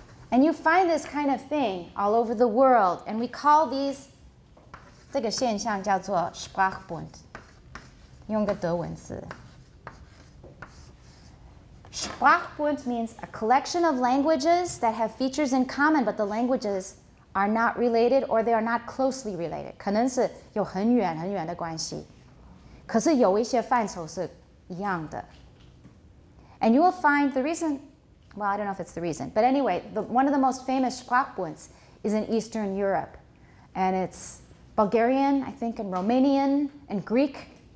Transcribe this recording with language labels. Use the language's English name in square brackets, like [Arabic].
[English] And you find this kind of thing all over the world, and we call these [Chinese] 这个现象叫做 [English] Sprachbund, [Chinese] 用个德文字. [English] Sprachbund means a collection of languages that have features in common, but the languages are not related or they are not closely related. [Chinese] 可能是有很远很远的关系, 可是有一些范畴是一样的. [English] And you will find the reason. Well, I don't know if it's the reason. But anyway, one of the most famous Sprachbunds is in Eastern Europe. And it's Bulgarian, I think, and Romanian, and Greek.